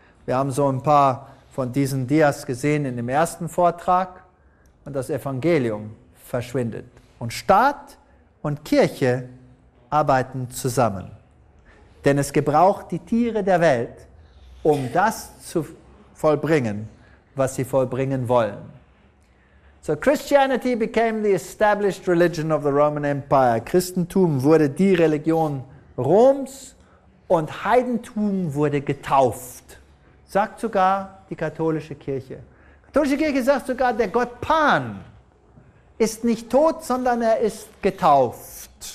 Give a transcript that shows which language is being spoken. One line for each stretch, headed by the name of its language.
German: Wir haben so ein paar von diesen Dias gesehen in dem ersten Vortrag und das Evangelium verschwindet. Und Staat und Kirche arbeiten zusammen. Denn es gebraucht die Tiere der Welt, um das zu vollbringen, was sie vollbringen wollen.
English: So Christianity became the established religion of the Roman Empire.
German: Christentum wurde die Religion Roms und Heidentum wurde getauft. Sagt sogar die katholische Kirche. Die katholische Kirche sagt sogar, der Gott Pan ist nicht tot, sondern er ist getauft.